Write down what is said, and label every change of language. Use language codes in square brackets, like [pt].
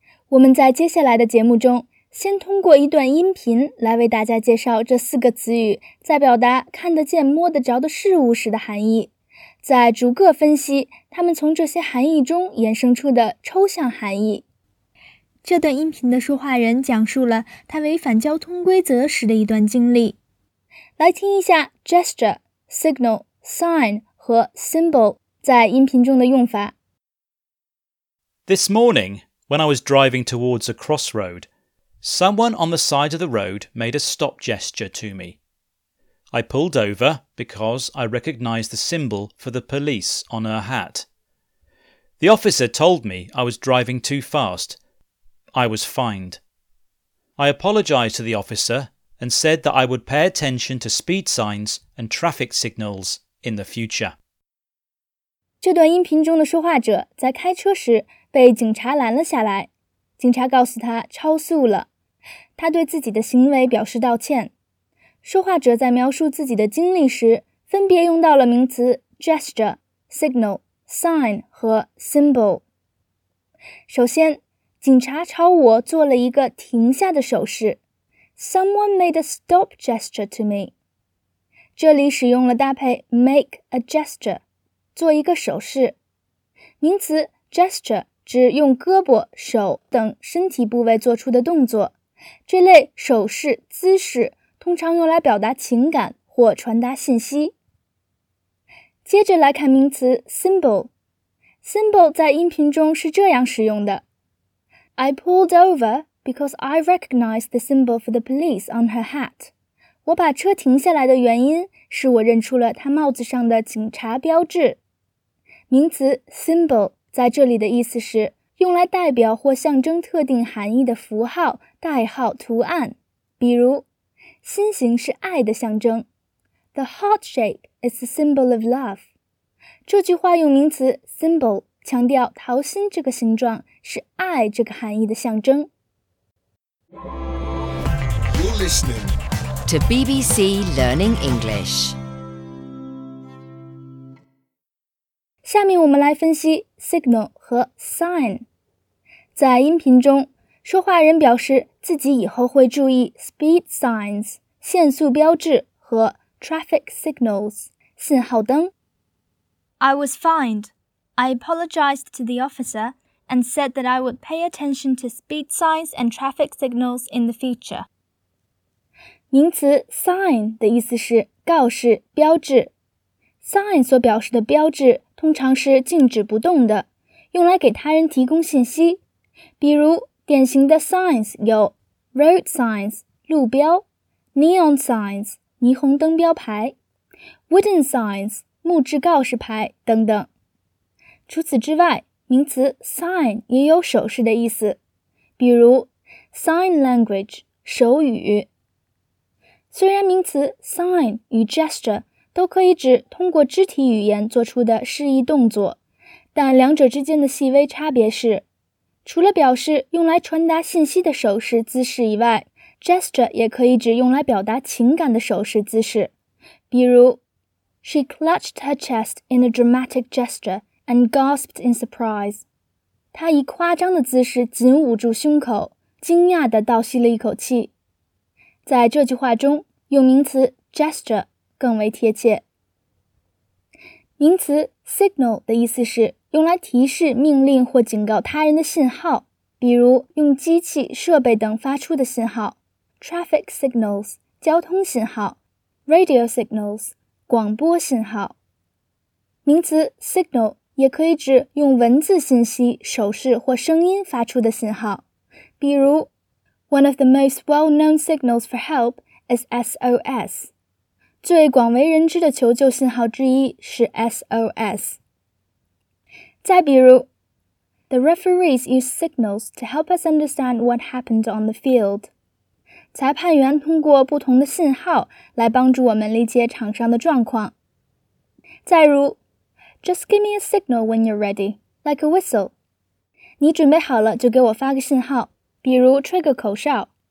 [zh] 我们在接下来的节目中先通过一段音频来为大家介绍这四个词语在表达看得见摸得着的事物时的含义，再逐个分析它们从这些含义中衍生出的抽象含义。这段音频的说话人讲述了他违反交通规则时的一段经历。来听一下 gesture, signal, sign 和 symbol 在音频中的用法。 [en] This morning, when I was driving towards a crossroad, someone on the side of the road made a stop gesture to me. I pulled over because I recognized the symbol for the police on her hat. The officer told me I was driving too fast. I was fined. I apologized to the officer and said that I would pay attention to speed signs and traffic signals in the future. [zh] 这段音频中的说话者在开车时被警察拦了下来，警察告诉他超速了，他对自己的行为表示道歉。说话者在描述自己的经历时分别用到了名词 gesture, signal, sign 和 symbol。首先，警察朝我做了一个停下的手势。 [en] Someone made a stop gesture to me. [zh] 这里使用了搭配 make a gesture, 做一个手势。名词 gesture 指用胳膊、手等身体部位做出的动作。这类手势、姿势通常用来表达情感或传达信息。接着来看名词 symbol。symbol 在音频中是这样使用的。 I pulled over because I recognized the symbol for the police on her hat. 我把车停下来的原因是我认出了她帽子上的警察标志。名词 symbol 在这里的意思是用来代表或象征特定含义的符号、代号、图案。比如，心形是爱的象征。 [en] The heart shape is the symbol of love. [zh] 这句话用名词 symbol 强调桃心这个形状是爱这个含义的象征。 [en] You're listening to BBC Learning English. [zh] 下面我们来分析 signal 和 sign。在音频中，说话人表示自己以后会注意 speed signs 限速标志和 traffic signals 信号灯。 [en] I was fined. I apologized to the officerand said that I would pay attention to speed signs and traffic signals in the future. [zh] 名词 sign 的意思是告示、标志。 sign 所表示的标志通常是静止不动的，用来给他人提供信息。比如，典型的 signs 有 road signs 路标、neon signs 霓虹灯标牌、wooden signs 木质告示牌等等。除此之外，名词 sign 也有手势的意思，比如 sign language 手语。虽然名词 sign 与 gesture 都可以指通过肢体语言做出的示意动作，但两者之间的细微差别是，除了表示用来传达信息的手势姿势以外， gesture 也可以指用来表达情感的手势姿势。比如 [en] She clutched her chest in a dramatic gestureand gasped in surprise. [zh] 她以夸张的姿势紧捂住胸口，惊讶地倒吸了一口气。在这句话中，用名词 gesture 更为贴切。名词 signal 的意思是用来提示、命令或警告他人的信号，比如用机器、设备等发出的信号 ，traffic signals 交通信号 ，radio signals 广播信号。名词 signal 也可以指用文字信息、手势或声音发出的信号，比如 ， [en] one of the most well-known signals for help is SOS， [zh] 最广为人知的求救信号之一是 SOS。再比如 [en] ，the referees use signals to help us understand what happened on the field。 [zh] 裁判员通过不同的信号来帮助我们理解场上的状况。再如 [en] ，just give me a signal when you're ready, like a whistle。 [zh] 你准备好了就给我发个信号，比如吹个口哨。